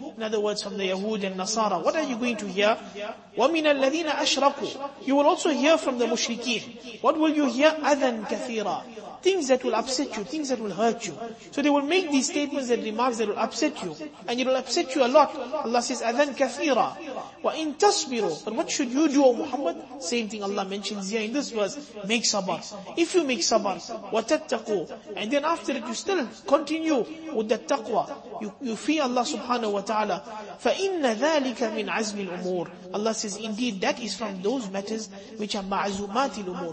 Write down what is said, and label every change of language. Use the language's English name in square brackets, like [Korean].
[English] In other words, from the Yahud and Nasara. What are you going to hear? [Arabic] وَمِنَ الَّذِينَ أَشْرَكُوا. [English] You will also hear from the mushrikeen. What will you hear? [Arabic] أَذًا كَثِيرًا. [English] Things that will upset you, things that will hurt you. So they will make these statements and remarks that will upset you. And it will upset you a lot. Allah says, [Arabic] أَذَن كَثِيرًا وَإِن تَصْبِرُوا. [English] But what should you do, O Muhammad? Same thing Allah mentions here in this verse. Make sabr. If you make sabr, وَتَتَّقُوا. And then after it, you still continue with the taqwa. You fear Allah subhanahu wa ta'ala. [Arabic] فَإِنَّ ذَلِكَ مِنْ عَزْمِ الْأُمُورِ. [English] Allah says, indeed, that is from those matters which are ma'azumati al-umur.